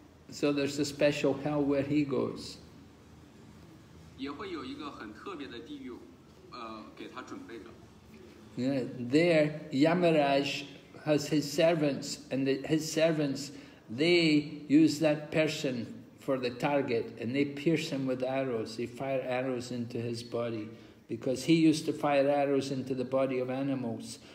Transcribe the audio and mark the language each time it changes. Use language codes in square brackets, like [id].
[en] So there's a special hell where he goes. [zh] 也会有一个很特别的地狱，给他准备的。 [en] There, Yamaraj has his servants, and his servants, they use that person for the target, and they pierce him with arrows. They fire arrows into his body, because he used to fire arrows into the body of animals.